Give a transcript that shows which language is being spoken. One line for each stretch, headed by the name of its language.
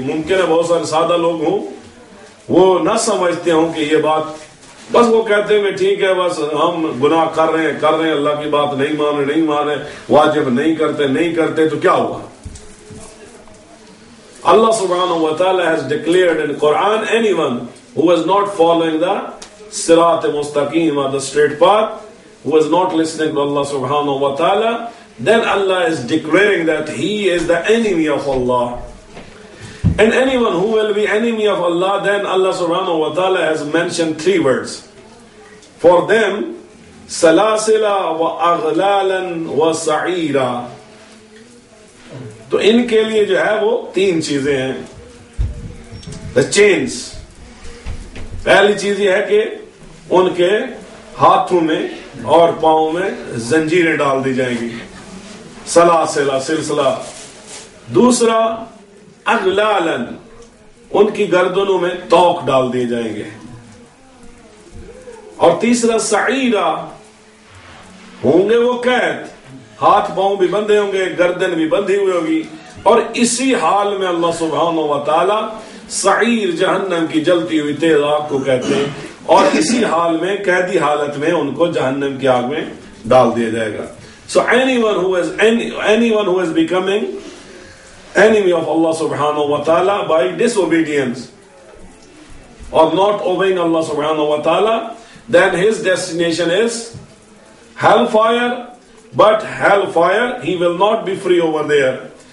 Urdu: ممکن ہے بہت سارے سادہ لوگ ہوں وہ نہ سمجھتے ہوں کہ یہ بات, بس وہ کہتے ہیں کہ ٹھیک ہے بس ہم گناہ کر رہے ہیں, اللہ کی بات نہیں مان رہے, واجب نہیں کرتے, تو کیا ہوا؟ اللہ سبحانہ و تعالی
English: has declared in Quran, anyone who is not following the
Urdu: صراط مستقیم
English: or the straight path, who is not listening to Allah
Urdu: سبحانہ و تعالی,
English: then Allah is declaring that he is the enemy of Allah. And anyone who will be enemy of Allah, then Allah subhanahu wa ta'ala has mentioned three words. For them,
Arabic: سَلَاسِلَا وَأَغْلَالًا وَسَعِيرًا.
Urdu: تو ان کے لئے جو ہے وہ تین چیزیں ہیں.
English: The chains.
Urdu: پہلی چیز یہ ہے کہ ان کے ہاتھوں میں اور پاؤں میں زنجیریں ڈال دی جائیں گی. سلاسلہ سلسلہ. دوسرا اغلالن ان کی گردنوں میں توک ڈال دیے جائیں گے, اور تیسرا سعیرا ہوں گے وہ قید, ہاتھ پاؤں بھی بندھے ہوں گے گردن بھی بندھی ہوئی ہوگی, اور اسی حال میں اللہ سبحانہ و تعالی سعیر جہنم کی جلتی ہوئی تیز آگ کو کہتے ہیں, اور اسی حال میں قیدی حالت میں ان کو جہنم کی آگ میں ڈال دیا جائے گا.
English: So anyone who is becoming enemy of Allah subhanahu wa ta'ala by disobedience or not obeying Allah subhanahu wa ta'ala, then his destination is hellfire, but hellfire, he will not be free over there.